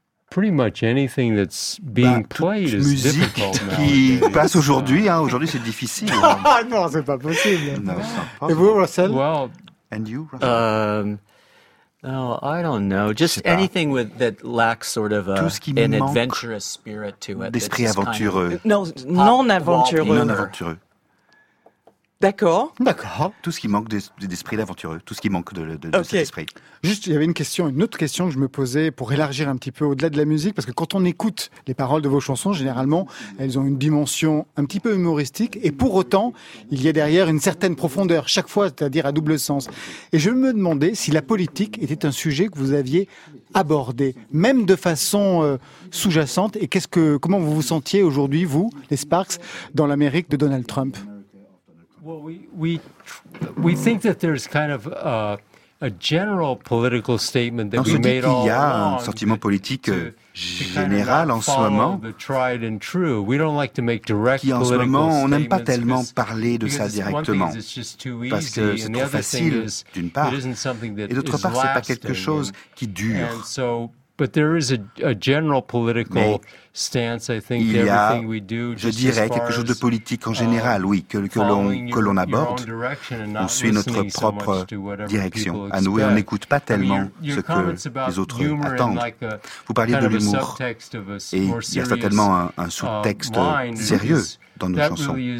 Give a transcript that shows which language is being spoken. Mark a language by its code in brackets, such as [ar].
[en] Pretty much anything that's being played is difficult. [fr] Musique qui passe aujourd'hui, hein, aujourd'hui c'est difficile. Non, c'est pas possible. Non, et vous, Russell? [en] Well, and you, Russell? Oh, I don't know. Just anything with that lacks sort of an adventurous spirit to it. [fr] D'esprit aventureux. [en] Kind of, [fr] non aventureux. Non aventureux. D'accord. D'accord. Tout ce qui manque d'esprit aventureux. Tout ce qui manque de okay. cet esprit. Juste, il y avait une autre question que je me posais pour élargir un petit peu au-delà de la musique. Parce que quand on écoute les paroles de vos chansons, généralement, elles ont une dimension un petit peu humoristique. Et pour autant, il y a derrière une certaine profondeur, chaque fois, c'est-à-dire à double sens. Et je me demandais si la politique était un sujet que vous aviez abordé, même de façon sous-jacente. Et comment vous vous sentiez aujourd'hui, vous, les Sparks, dans l'Amérique de Donald Trump? [en] Well, we think that there's kind of a general political statement that [fr] non, [en] we made all along. [fr] Un sentiment politique général en ce moment. [en] The tried and true. We don't like to make direct political statements. [fr] Qui en ce moment, on n'aime pas tellement parler de ça directement. [en] One thing is it's just too easy. [fr] Parce que c'est trop facile, d'une part. Et d'autre part, c'est pas quelque chose qui dure. [en] And so, but there is a general political stance, I think, everything we do, [fr] je dirais quelque chose de politique en général, oui, que l'on aborde. On suit notre propre direction. À nous, et on n'écoute pas tellement ce que les autres attendent. Vous parliez de l'humour, et il y a certainement un sous-texte sérieux dans nos chansons.